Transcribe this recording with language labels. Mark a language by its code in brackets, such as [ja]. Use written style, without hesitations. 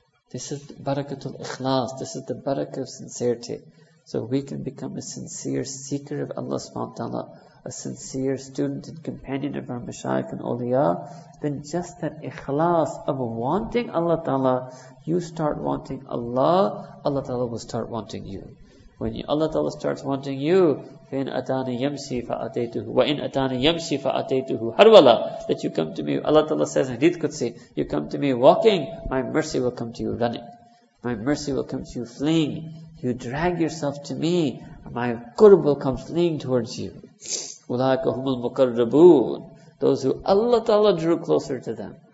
[en] This is the barakatul ikhlas. This is the barakah of sincerity. So we can become a sincere seeker of Allah subhanahu wa ta'ala, a sincere student and companion of our mashayikh and awliya. Then just that ikhlas of wanting Allah ta'ala, you start wanting Allah, Allah ta'ala will start wanting you. When Allah ta'ala starts wanting you, [ar] فَإِنْ أَتَانِ يَمْشِي فَأَتَيْتُهُ وَإِنْ أَتَانِ يَمْشِي فَأَتَيْتُهُ هَرْوَلَا. [en] That you come to me, Allah ta'ala says in Hadith Qudsi, you come to me walking, my mercy will come to you running. My mercy will come to you fleeing. You drag yourself to me, my qurb will come fleeing towards you. [ar] أُولَٰئِكَ هُمُ الْمُقَرَّبُونَ. [en] Those who Allah ta'ala drew closer to them.